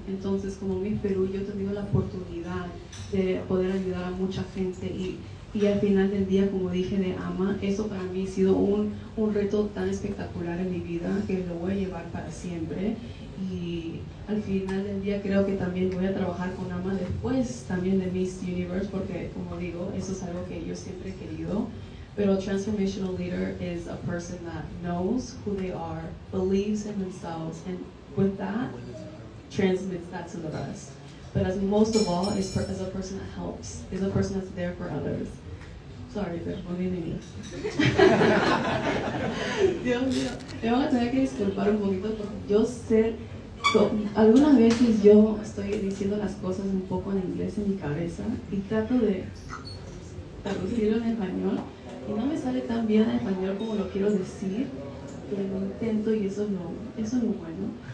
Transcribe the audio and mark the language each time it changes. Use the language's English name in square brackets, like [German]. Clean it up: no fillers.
[Spanish] Entonces, como Miss Perú, yo he tenido la oportunidad de poder ayudar a mucha gente, y al final del día, como dije, de ama, eso para mí ha sido un reto tan espectacular en mi vida que lo voy a llevar para siempre. Y al final del día creo que también voy a trabajar con AMA después también de Miss Universe, porque como digo, eso es algo que yo siempre he querido. [English] Pero a transformational leader is a person that knows who they are, believes in themselves, and with that, transmits that to the rest. But as most of all, is a person that helps, is a person that's there for others. [Spanish] Sorry, pero no viene inglés. Dios mío, me van a tener que disculpar un poquito, porque yo sé, algunas veces yo estoy diciendo las cosas un poco en inglés en mi cabeza y trato de traducirlo en español y no me sale tan bien en español como lo quiero decir, pero lo intento y eso es lo bueno.